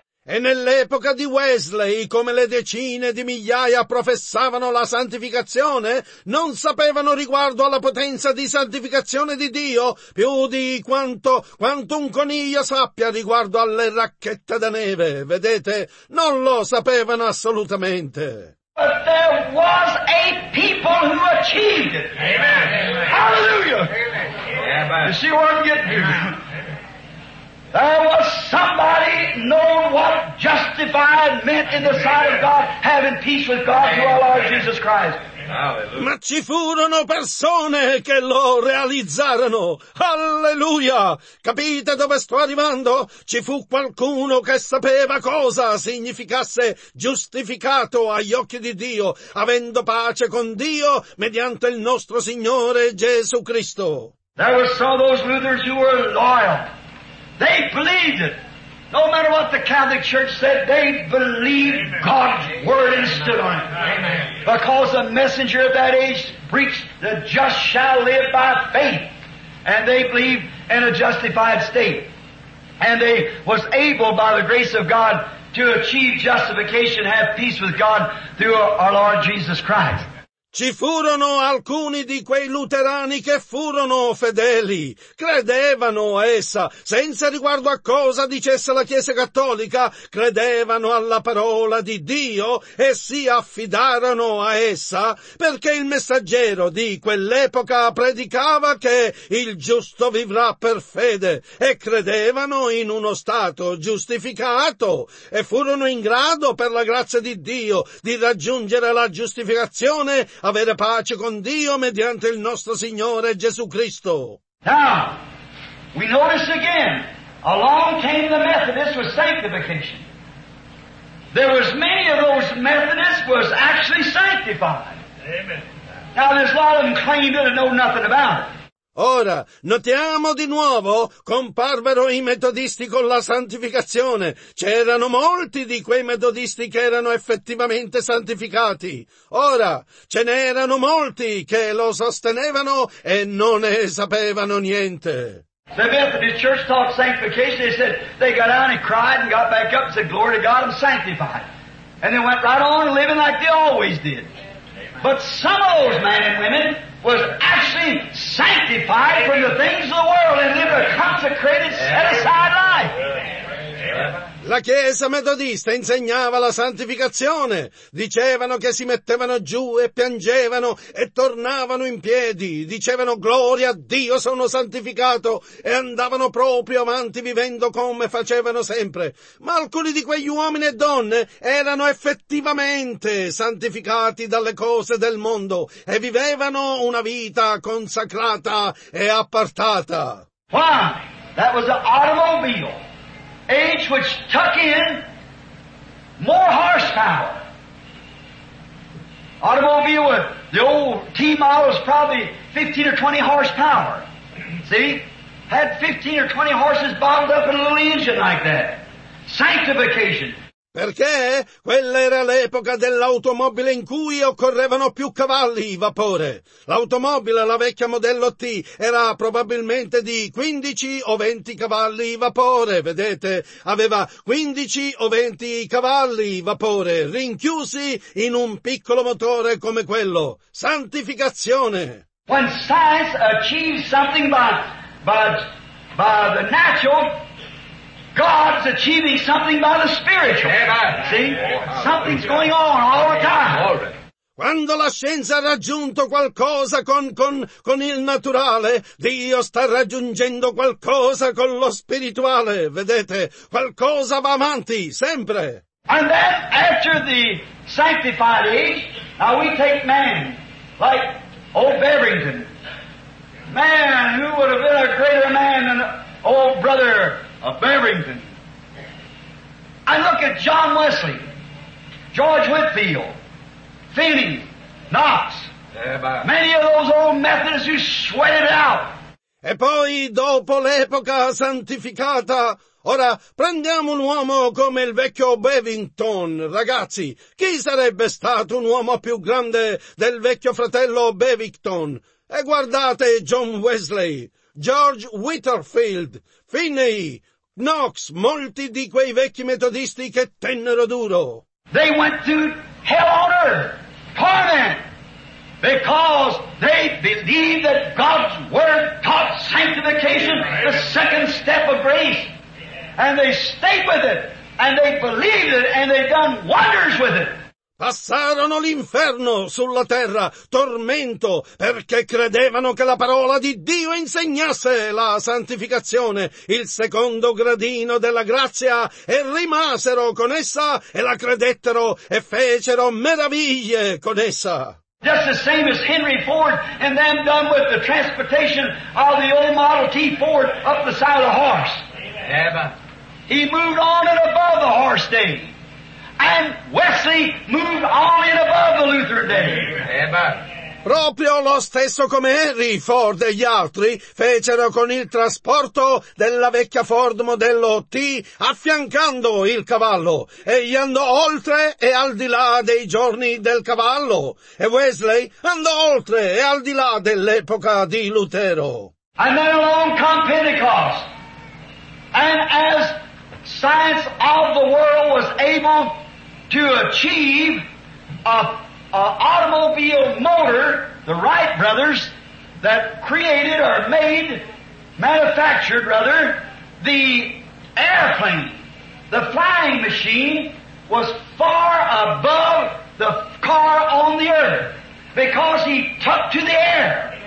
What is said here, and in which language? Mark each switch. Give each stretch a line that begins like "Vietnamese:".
Italian: E nell'epoca di Wesley, come le decine di migliaia professavano la santificazione, non sapevano riguardo alla potenza di santificazione di Dio più di quanto un coniglio sappia riguardo alle racchette da neve. Vedete, non lo sapevano assolutamente.
English: But there was a people who achieved it. Amen. Hallelujah. Amen. You see what I'm getting to? There was somebody knowing what justified meant in the sight of God, having peace with God through our Lord Jesus Christ. Hallelujah.
Italian: Ma ci furono persone che lo realizzarono. Alleluia! Capite dove sto arrivando? Ci fu qualcuno che sapeva cosa significasse giustificato agli occhi di Dio, avendo pace con Dio mediante il nostro Signore Gesù Cristo.
English: There were some of those Luthers who were loyal. They believed it. No matter what the Catholic Church said, they believed Amen. God's Amen. Word and stood on it. Amen. Because a messenger of that age preached the just shall live by faith. And they believed in a justified state. And they was able by the grace of God to achieve justification, have peace with God through our Lord Jesus Christ.
Italian: Ci furono alcuni di quei luterani che furono fedeli, credevano a essa, senza riguardo a cosa dicesse la Chiesa Cattolica, credevano alla parola di Dio e si affidarono a essa, perché il messaggero di quell'epoca predicava che il giusto vivrà per fede, e credevano in uno stato giustificato, e furono in grado, per la grazia di Dio, di raggiungere la giustificazione, avere pace con Dio mediante il nostro Signore Gesù Cristo.
English: Now, we notice again, along came the Methodists with sanctification. There was many of those Methodists was actually sanctified. Amen. Now, there's a lot of them claimed it and know nothing about it.
Italian: Ora, notiamo di nuovo, comparvero i metodisti con la santificazione. C'erano molti di quei metodisti che erano effettivamente santificati. Ora, ce n'erano molti che lo sostenevano e non ne sapevano niente.
English: The Methodist Church taught sanctification. They said they got down and cried and got back up and said, glory to God, I'm sanctified. And they went right on living like they always did. But some of those men and women was actually sanctified from the things of the world and lived a consecrated, set-aside life.
Italian: La Chiesa metodista insegnava la santificazione. Dicevano che si mettevano giù e piangevano e tornavano in piedi. Dicevano gloria a Dio, sono santificato, e andavano proprio avanti vivendo come facevano sempre. Ma alcuni di quegli uomini e donne erano effettivamente santificati dalle cose del mondo e vivevano una vita consacrata e appartata.
English: Why? That was an automobile. Age which took in more horsepower. Automobile with the old T model is probably 15 or 20 horsepower. See? Had 15 or 20 horses bottled up in a little engine like that. Sanctification.
Italian: Perché quella era l'epoca dell'automobile in cui occorrevano più cavalli vapore. L'automobile, la vecchia modello T, era probabilmente di 15 o 20 cavalli vapore, vedete? Aveva 15 o 20 cavalli vapore rinchiusi in un piccolo motore come quello. Santificazione!
English: When science achieves something by the natural, God's achieving something by the spiritual. See? Something's going on all the time.
Italian: Quando la scienza ha raggiunto qualcosa con il naturale, Dio sta raggiungendo qualcosa con lo spirituale. Vedete? Qualcosa va avanti, sempre.
English: And then, after the sanctified age, now we take man, like old Beverington. Man, who would have been a greater man than old brother of Beverington. I look at John Wesley, George Whitfield, Finney, Knox, many of those old Methodists who sweat it out.
Italian: E poi, dopo l'epoca santificata, ora prendiamo un uomo come il vecchio Bevington. Ragazzi, chi sarebbe stato un uomo più grande del vecchio fratello Bevington? E guardate John Wesley, George Whitefield, Finney, Knox, molti di quei vecchi metodisti che tennero duro.
English: They went to hell on earth, torment, because they believed that God's word taught sanctification, the second step of grace. And they stayed with it, and they believed it, and they've done wonders with it.
Italian: Passarono l'inferno sulla terra, tormento, perché credevano che la parola di Dio insegnasse la santificazione, il secondo gradino della grazia, e rimasero con essa, e la credettero, e fecero meraviglie con essa.
English: Just the same as Henry Ford and them done with the transportation of the old Model T Ford up the side of the horse. Amen. He moved on and above the horse day. And Wesley moved on and above the Luther day. Amen.
Italian: Proprio lo stesso come Henry Ford e gli altri fecero con il trasporto della vecchia Ford modello T affiancando il cavallo. Egli andò oltre e al di là dei giorni del cavallo. E Wesley andò oltre e al di là dell'epoca di Lutero.
English: And then along come Pentecost. And as science of the world was able to achieve automobile motor, the Wright brothers, that created or made, manufactured rather, the airplane, the flying machine, was far above the car on the earth, because he took to the air.